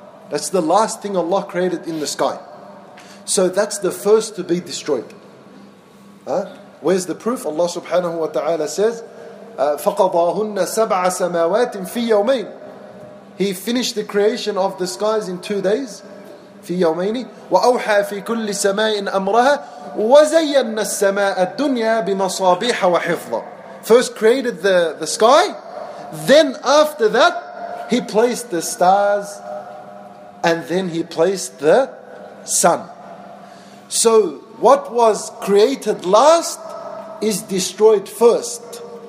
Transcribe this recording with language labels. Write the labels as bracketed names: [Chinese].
[English] That's the last thing Allah created in the sky. So that's the first to be destroyed. Huh? Where's the proof? Allah subhanahu wa ta'ala says, [Arabic] فَقَضَاهُنَّ سَبْعَ سَمَاوَاتٍ فِي يَوْمَيْنِ. [English] He finished the creation of the skies in 2 days. [Arabic] في يومين وأوحى في كل سماء أمرها وزينا السماء الدنيا بمصابيح وحفظة. [English] First created the sky, then after that he placed the stars, and then he placed the sun. So what was created last is destroyed first.